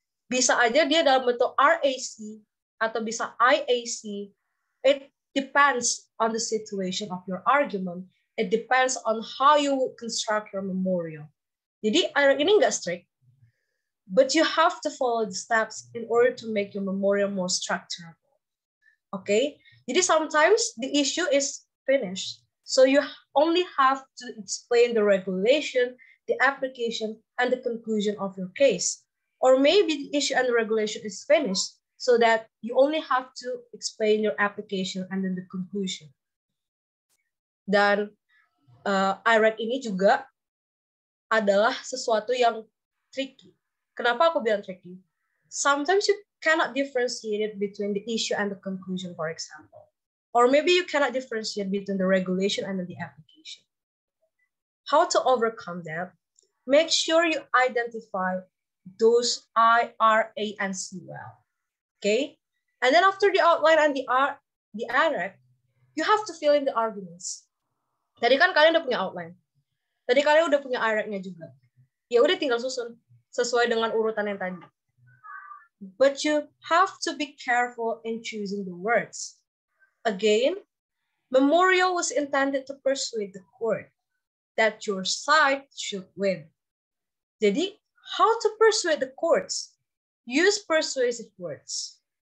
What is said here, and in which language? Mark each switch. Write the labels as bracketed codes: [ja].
[id] Bisa aja dia dalam bentuk RAC atau bisa IAC. [en] It depends on the situation of your argument. It depends on how you construct your memorial. [id] Jadi IREC ini nggak [en] strict. But you have to follow the steps in order to make your memorial more structured. Okay? [id] Jadi [en] sometimes the issue is finished. So you only have to explain the regulation, the application, and the conclusion of your case. Or maybe the issue and the regulation is finished so that you only have to explain your application and then the conclusion. [id] Dan IREC ini juga adalah sesuatu yang tricky. Kenapa aku bilang tricky? [en] Sometimes you cannot differentiate it between the issue and the conclusion, for example. Or maybe you cannot differentiate between the regulation and the application. How to overcome that? Make sure you identify those I, R, A, and C well. Okay? And then after the outline and the IREC, you have to fill in the arguments. [id] Tadi kan kalian udah punya outline. Tadi kalian udah punya IREC-nya juga. Ya udah tinggal susun. Sesuai dengan urutan yang tadi. [en] But you have to be careful in choosing the words. Again, memorial was intended to persuade the court that your side should win. [id] Jadi, [en] how to persuade the courts? Use persuasive words.